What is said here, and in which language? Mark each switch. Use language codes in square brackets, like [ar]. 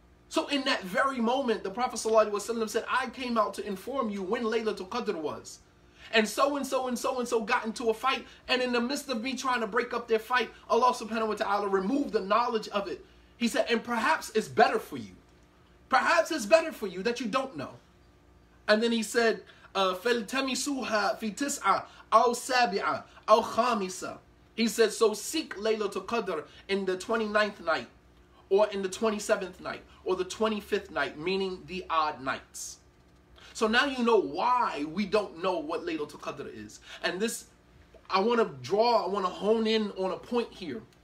[en] So in that very moment, the Prophet ﷺ said, I came out to inform you when Laylatul Qadr was. And so-and-so and so-and-so got into a fight. And in the midst of me trying to break up their fight, Allah subhanahu wa ta'ala removed the knowledge of it. He said, and perhaps it's better for you. Perhaps it's better for you that you don't know. And then he said, [ar] فَلْتَمِسُوهَا فِي تِسْعَ أَوْ سَابِعَ أَوْ خَامِسَ. [en] He said, so seek Laylatul Qadr in the 29th night, or in the 27th night, or the 25th night, meaning the odd nights. So now you know why we don't know what Laylatul Qadr is. And this, I want to hone in on a point here.